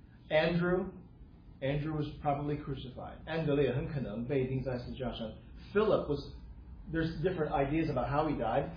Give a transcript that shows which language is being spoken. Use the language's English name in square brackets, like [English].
[English] Andrew was probably crucified. [Chinese] 安德烈很可能被钉在十字架上。 [English] Philip was, there's different ideas about how he died.